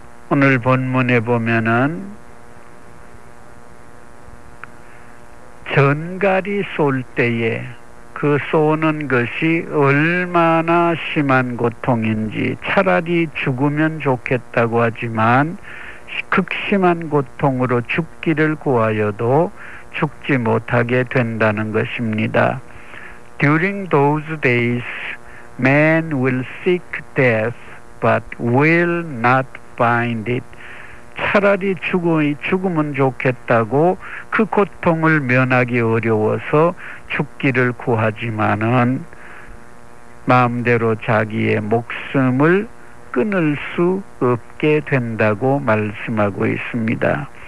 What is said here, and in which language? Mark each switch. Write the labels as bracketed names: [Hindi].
[Korean] 오늘 본문에 보면은 전갈이 쏠 때에 그 쏘는 것이 얼마나 심한 고통인지 차라리 죽으면 좋겠다고 하지만 극심한 고통으로 죽기를 구하여도 죽지 못하게 된다는 것입니다. [English] During those days, man will seek death but will not find it. [Korean] 차라리 죽으면 좋겠다고 그 고통을 면하기 어려워서 죽기를 구하지만은 마음대로 자기의 목숨을 끊을 수 없게 된다고 말씀하고 있습니다.